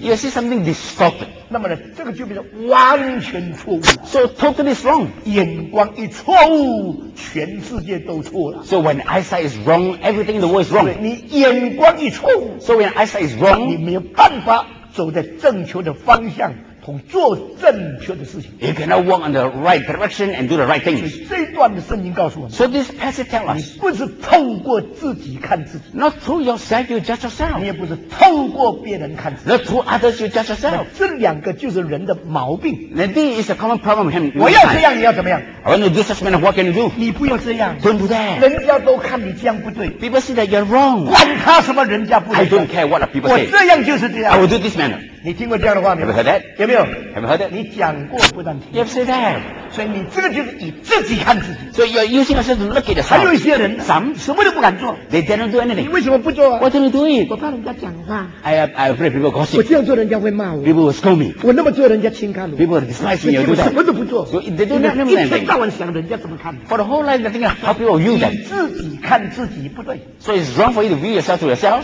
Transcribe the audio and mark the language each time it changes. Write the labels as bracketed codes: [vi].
[en] You see something distorted. [zh] 那么呢，这个就变成完全错误。 [en] So totally wrong. [zh] 眼光一错误，全世界都错了。 [en] So when eyesight is wrong, everything in the world is wrong. [zh] 你眼光一错误。 [en] So when eyesight is wrong, [zh] 你没有办法走在正确的方向。做正确的事情 [en] You cannot walk in the right direction and do the right things. [zh] 这一段的圣经告诉我们 [en] So this passage tells us [zh] 你不是透过自己看自己 [en] Not through yourself you judge yourself [zh] 你也不是透过别人看自己 [en] Not through others you judge yourself [zh] 这两个就是人的毛病 [en] And this is a common problem with him [zh] 我要这样你要怎么样 [en] I want to do such a man of what can you do [zh] 你不用这样 [en] Don't do that [zh] 人家都看你这样不对 [en] People see that you're wrong [zh] 管他什么人家不对 [en] I don't care what the people say [zh] 我这样就是这样 [en] I will do this manner [zh] 你听过这样的话没有 [en] Have you heard that? [zh] 有没有 [en] Have you heard that? [zh] 你讲过不但听 [en] You have said that [zh] 所以你这个就是以自己看自己 [en] So you're using yourself to look at yourself [zh] 还有一些人 [en] Some [zh] 什么都不敢做 [en] They didn't do anything [zh] 你为什么不做 [en] What do you do? [zh] 我怕人家讲话 [en] I afraid people gossip [zh] 我这样做人家会骂我 [en] People will scold me [zh] 我那么做人家轻看我 [en] People will despise me [zh] 所以我什么都不做 [en] So they don't do anything [zh] 一天到晚想人家怎么看 [en] For the whole life they think how people will use them [zh] 你自己看自己不对 [en] So it's wrong for you to view yourself to yourself